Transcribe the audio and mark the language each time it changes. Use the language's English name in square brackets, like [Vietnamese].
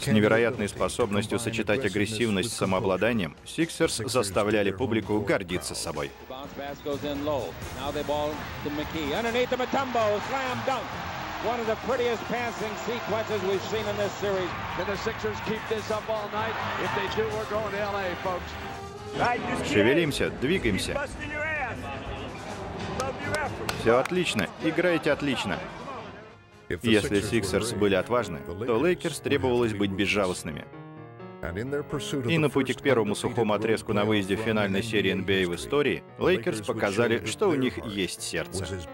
[Russian] С невероятной способностью сочетать агрессивность с самообладанием, Сиксерс заставляли публику гордиться собой. [English] Bounce pass goes in low. Now they ball to McKee. Underneath to Mutombo. Slam dunk. One of the prettiest passing sequences we've seen in this series. Can the Sixers keep this up all night? If they do, we're going to LA, folks. [Russian] Шевелимся, двигаемся. Все отлично, играете отлично. Если Сиксерс были отважны, то Лейкерс требовалось быть безжалостными. И на пути к первому сухому отрезку на выезде в финальной серии NBA в истории, Лейкерс показали, что у них есть сердце.